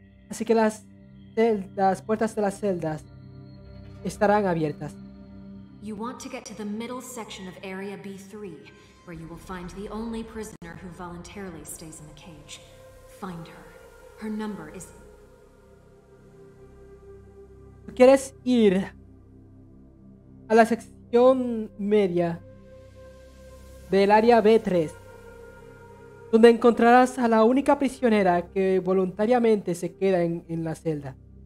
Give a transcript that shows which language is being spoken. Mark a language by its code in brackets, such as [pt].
[es] Así que las puertas de las celdas estarán abiertas. [en] You want to get to the middle section of area B3, where you will find the only prisoner who voluntarily stays in the cage. Find her. Her number is... [es] ¿Tú quieres ir a la sección media del área B3, donde encontrarás a la única prisionera que voluntariamente se queda en la celda?